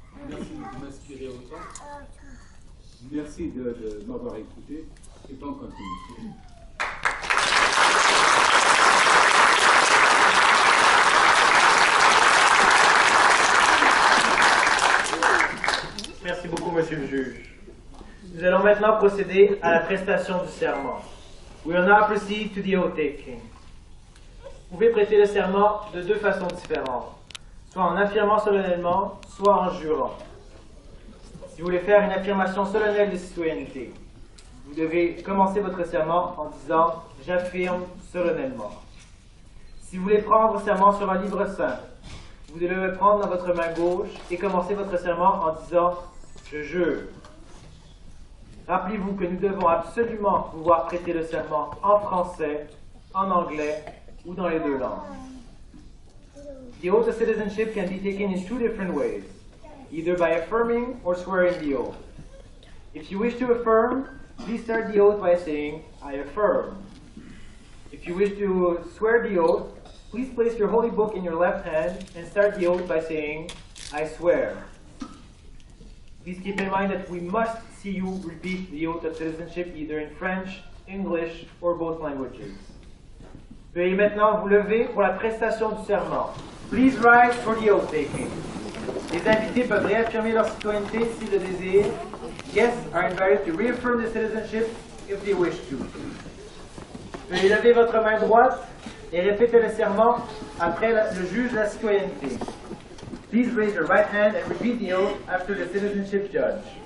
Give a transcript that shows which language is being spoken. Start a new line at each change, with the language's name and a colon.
French: Merci de m'inspirer autant. Merci de m'avoir écouté et bon continuité. Merci beaucoup, Monsieur le juge. Nous allons maintenant procéder à la prestation du serment.
English: We will now proceed to the oath taking.
French: Vous pouvez prêter le serment de deux façons différentes, soit en affirmant solennellement, soit en jurant. Si vous voulez faire une affirmation solennelle de citoyenneté, vous devez commencer votre serment en disant « J'affirme solennellement ». Si vous voulez prendre serment sur un livre saint, vous devez le prendre dans votre main gauche et commencer votre serment en disant « Je jure ». Rappelez-vous que nous devons absolument pouvoir prêter le serment en français, en anglais ou dans les deux langues.
English: The oath of citizenship can be taken in two different ways, either by affirming or swearing the oath. If you wish to affirm, please start the oath by saying « I affirm ». If you wish to swear the oath, please place your holy book in your left hand and start the oath by saying, I swear. Please keep in mind that we must see you repeat the oath of citizenship either in French, English, or both languages.
French: Veuillez maintenant vous lever pour la prestation du serment.
English: Please rise for the oath taking.
French: Les invités peuvent réaffirmer leur citoyenneté s'ils le désirent.
English: Guests are invited to reaffirm their citizenship if they wish to.
French: Veuillez lever votre main droite et répétez le serment après le juge de la citoyenneté.
English: Please raise your right hand and repeat the oath after the citizenship judge.